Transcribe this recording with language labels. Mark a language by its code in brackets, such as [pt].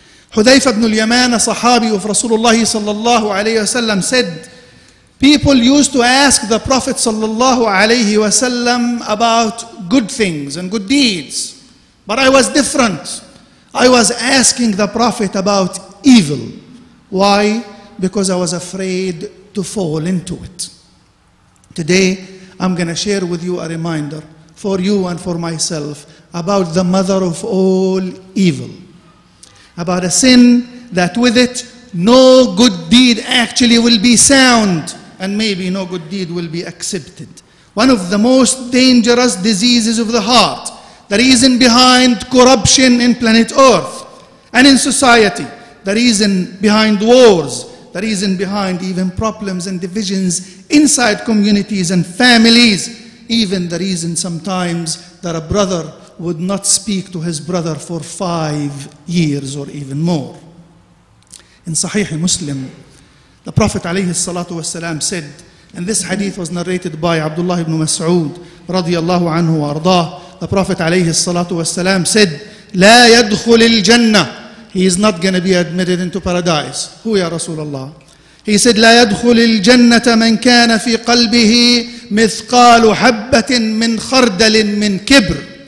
[en] حذيفة بن اليمان صحابي of [ar] رسول الله صلى الله عليه وسلم [en] said people used to ask the Prophet صلى الله عليه وسلم about good things and good deeds but I was different I was asking the Prophet about evil why? Because I was afraid to fall into it today I'm going to share with you a reminder for you and for myself about the mother of all evil about a sin that with it no good deed actually will be sound and maybe no good deed will be accepted. One of the most dangerous diseases of the heart, the reason behind corruption in planet Earth and in society, the reason behind wars, the reason behind even problems and divisions inside communities and families, even the reason sometimes that a brother would not speak to his brother for 5 years or even more. In Sahih Muslim, the Prophet alayhi salatu wasalam said, and this hadith was narrated by Abdullah ibn Mas'ud radiyallahu anhu wa ardah, the Prophet alayhi salatu wasalam said, [ar] لا يدخل الجنة. [en] He is not going to be admitted into paradise. Who ya Rasulullah? He said, [ar] لا يدخل الجنة من كان في قلبه مثقال حبة من خردل من كبر.